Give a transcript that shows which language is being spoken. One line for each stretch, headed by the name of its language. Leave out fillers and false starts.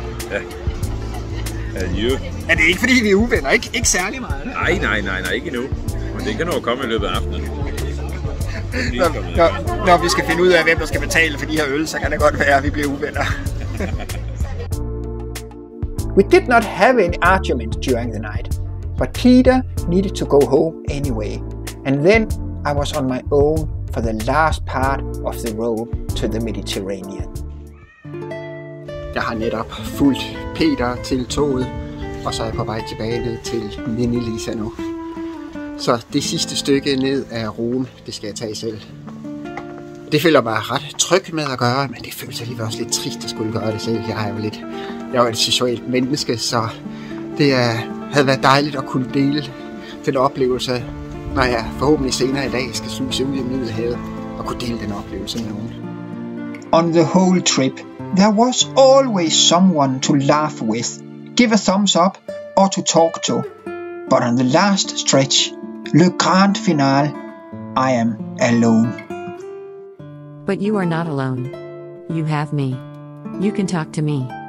Danish: Ja. Adieu. Er det ikke fordi vi er uvenner? Ikke særlig meget? Nej, nej, nej, nej, ikke endnu. Men det kan nok komme i løbet af aftenen. Når vi skal finde ud af, hvem der skal betale for de her øl, så kan det godt være, at vi bliver uvenner.
English: We did not have any argument during the night. But Peter needed to go home anyway. And then I was on my own for the last part of the road to the Mediterranean.
Danish: Jeg har netop fulgt Peter til toget, og så er jeg på vej tilbage til Mini Lisa nu. Så det sidste stykke ned af Rhône, det skal jeg tage selv. Det føler mig ret tryg med at gøre, men det føles alligevel også lidt trist at skulle gøre det selv. Jeg er jo et socialt menneske, så det havde været dejligt at kunne dele den oplevelse, når jeg forhåbentlig senere i dag skal sluse ud i Middelhavet og kunne dele den oplevelse med nogen.
English: On the whole trip, there was always someone to laugh with, give a thumbs up, or to talk to. But on the last stretch,
French: le grand final,
English: I am alone. But you are not alone. You have me. You can talk to me.